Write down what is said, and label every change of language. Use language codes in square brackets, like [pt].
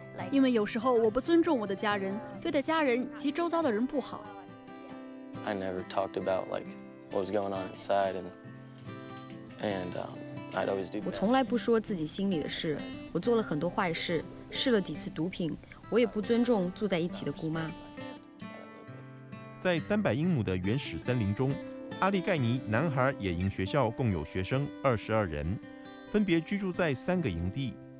[zh] 因为有时候我不尊重我的家人，对待家人及周遭的人不好。 [en] I never talked about like what was going on inside and I'd always do. [zh] 我从来不说自己心里的事，我做了很多坏事，试了几次毒品，我也不尊重住在一起的姑妈。在300英亩的原始森林中，阿利盖尼男孩野营学校共有学生22人，分别居住在3个营地。